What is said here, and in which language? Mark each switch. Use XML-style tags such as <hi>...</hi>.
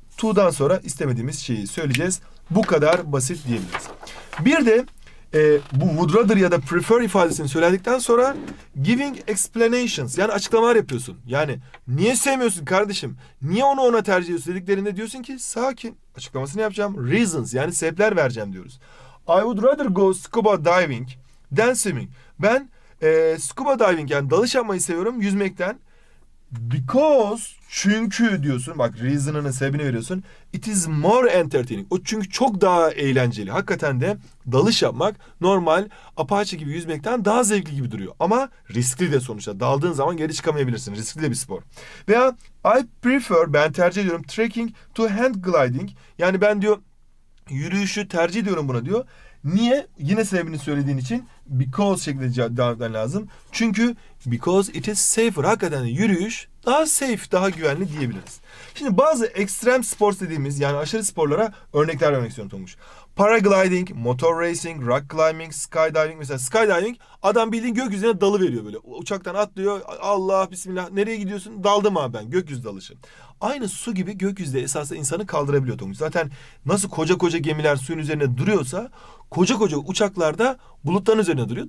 <tr>To'dan sonra istemediğimiz şeyi söyleyeceğiz. Bu kadar basit diyebiliriz. Bir de bu</tr> <en>would rather</en> <tr>ya da prefer ifadesini söyledikten sonra</tr> <en>giving explanations,</en> <tr>yani açıklamalar yapıyorsun. Yani niye sevmiyorsun kardeşim? Niye onu ona tercih ediyorsun dediklerinde diyorsun ki sakin, açıklamasını yapacağım.</tr> <en>Reasons,</en> <tr>yani sebepler vereceğim diyoruz.</tr> <en>I would rather go scuba diving than swimming.</en> <tr>Ben scuba diving, yani dalış yapmayı seviyorum yüzmekten. Because, çünkü diyorsun, bak reason'ını, sebebini veriyorsun.</tr> <en>It is more entertaining.</en> <tr>O çünkü çok daha eğlenceli. Hakikaten de dalış yapmak normal apache gibi yüzmekten daha zevkli gibi duruyor. Ama riskli de sonuçta. Daldığın zaman geri çıkamayabilirsin. Riskli de bir spor. Veya</tr> <en>I prefer,</en> <tr>ben tercih ediyorum</tr> <en>trekking to hand gliding.</en> <tr>Yani ben diyor yürüyüşü tercih ediyorum buna diyor. Niye? Yine sebebini söylediğin için because şeklinde cevaplaman lazım. Çünkü</tr> <en>because it is safer.</en> <tr>Hakikaten yürüyüş daha safe, daha güvenli diyebiliriz. Şimdi bazı ekstrem spor dediğimiz, yani aşırı sporlara örnekler vermek istiyorum Tonguç.</tr> <en>Paragliding, motor racing, rock climbing, skydiving.</en> <tr>Mesela skydiving, adam bildiğin gökyüzüne dalıveriyor böyle. Uçaktan atlıyor. Allah, bismillah. Nereye gidiyorsun? Daldım abi ben. Gökyüzü dalışı. Aynı su gibi gökyüzü de esasında insanı kaldırabiliyor Tonguç. Zaten nasıl koca koca gemiler suyun üzerine duruyorsa, koca koca uçaklar da bulutların üzerine duruyor.</tr>